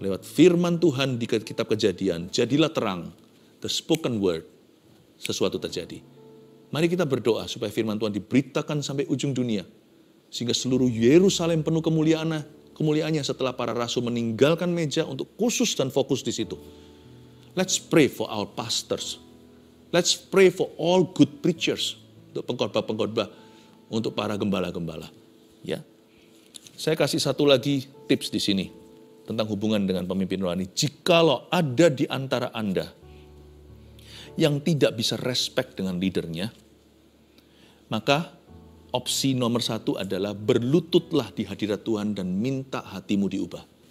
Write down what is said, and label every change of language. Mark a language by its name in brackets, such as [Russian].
[Indonesian] Lewat firman Tuhan di kitab Kejadian, jadilah terang, [English] the spoken word, [Indonesian] sesuatu terjadi. Mari kita berdoa supaya firman Tuhan diberitakan sampai ujung dunia. Sehingga seluruh Yerusalem penuh kemuliaannya setelah para rasul meninggalkan meja untuk khusus dan fokus di situ. [English] Let's pray for our pastors. Let's pray for all good preachers. [Indonesian] Untuk pengkhotbah-pengkhotbah, untuk para gembala-gembala. Ya. Saya kasih satu lagi tips di sini tentang hubungan dengan pemimpin rohani. Jikalau ada di antara Anda yang tidak bisa respect dengan leadernya, maka opsi nomor satu adalah berlututlah di hadirat Tuhan dan minta hatimu diubah.